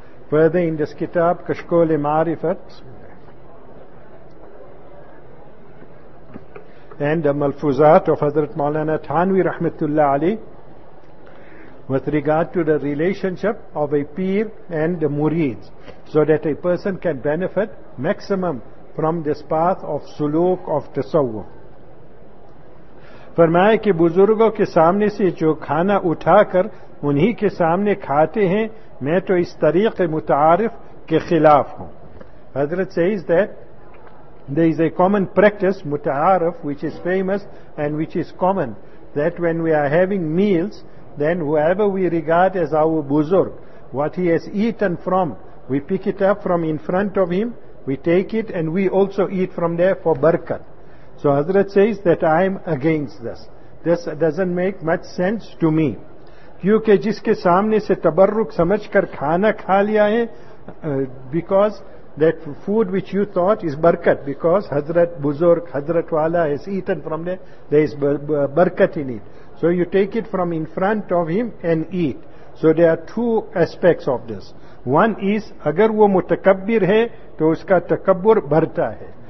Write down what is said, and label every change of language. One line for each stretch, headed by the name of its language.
English: Further in this kitab, Kashkol-e-Ma'rifat, and the Malfuzat of Hazrat Maulana Thanvi Rahmatullah Ali with regard to the relationship of a peer and the murids, so that a person can benefit maximum from this path of suluk of tasawwuf.
Urdu: فرمایا کہ بزرگوں کے سامنے سے جو کھانا اٹھا کر انہی کے سامنے کھاتے ہیں میں تو اس طریق متعارف کے خلاف ہوں.
English: حضرت says that there is a common practice, mutaarif, which is famous and which is common, that when we are having meals, then whoever we regard as our buzurg, what he has eaten from, we pick it up from in front of him, we take it and we also eat from there for barakat. So Hazrat says that I am against this. This doesn't make much sense to me.
Urdu: کیونکہ جس کے سامنے سے تبرک سمجھ کر کھانا کھا لیا ہے,
English: because that food which you thought is barakat, because Hazrat Buzurg, Hazrat Wala has eaten from there is barakat in it. So you take it from in front of him and eat. So there are two aspects of this. One is,
Urdu: اگر وہ متکبر ہے تو اس کا تکبر بڑھتا ہے.